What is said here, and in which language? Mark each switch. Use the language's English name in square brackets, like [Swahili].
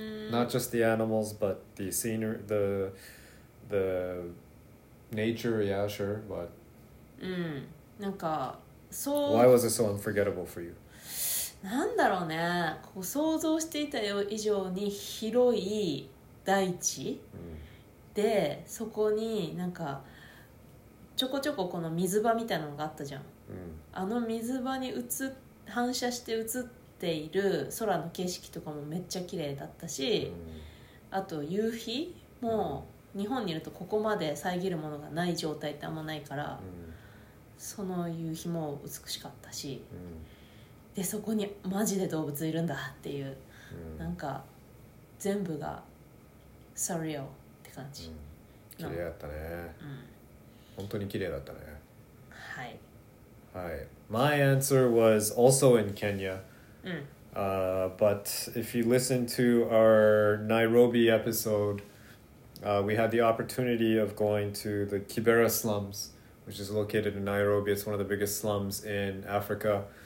[English] Not just the animals, but the scenery, the nature, yeah, sure, but... Why was it so unforgettable for you? [Japanese] なんだろうね、こう想像していた以上に広い大地、で、そこになんかちょこちょここの水場みたいなのがあったじゃん、あの水場に反射して映っている空の景色とかもめっちゃ綺麗だったし、あと夕日も日本にいるとここまで遮るものがない状態ってあんまないから、その夕日も美しかったし、でそこにマジで動物いるんだっていう、なんか全部がサリアルって感じ、綺麗だったね、本当に綺麗だったね。はいはい。 [English] My answer was also in Kenya、but if you listen to our Nairobi episode、we had the opportunity of going to the Kibera slums which is located in Nairobi. It's one of the biggest slums in Africa.